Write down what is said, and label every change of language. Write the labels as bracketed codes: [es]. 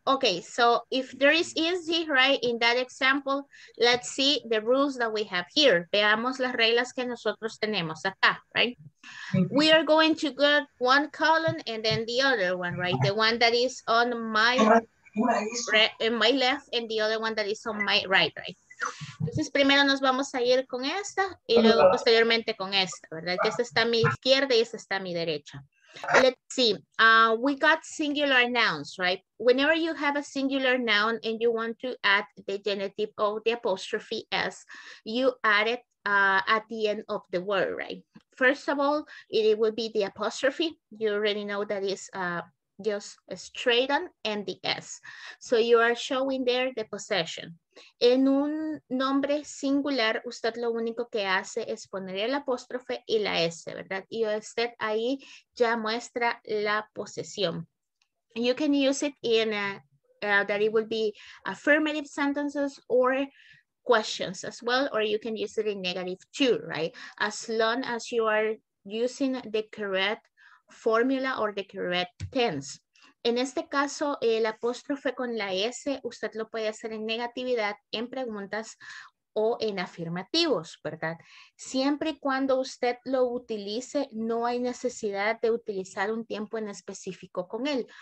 [en] Okay, so if there is easy, right, in that example, let's see the rules that we have here. [es] Veamos las reglas que nosotros tenemos acá, right? [en] We are going to get one column and then the other one, right? The one that is on my left and the other one that is on my right, right? [es] Entonces primero nos vamos a ir con esta y luego posteriormente con esta, ¿verdad? Que esta está a mi izquierda y esta está a mi derecha. [en] Let's see. We got singular nouns, right? Whenever you have a singular noun and you want to add the genitive of the apostrophe s, you add it at the end of the word, right? First of all, it would be the apostrophe. You already know that is just straight on and the s. So you are showing there the possession. [es] En un nombre singular, usted lo único que hace es poner el apóstrofe y la S, ¿verdad? Y usted ahí ya muestra la posesión. [en] You can use it in that it will be affirmative sentences or questions as well, or you can use it in negative too, right? As long as you are using the correct formula or the correct tense. [es] En este caso, el apóstrofe con la S, usted lo puede hacer en negatividad, en preguntas o en afirmativos, ¿verdad? Siempre y cuando usted lo utilice, no hay necesidad de utilizar un tiempo en específico con él.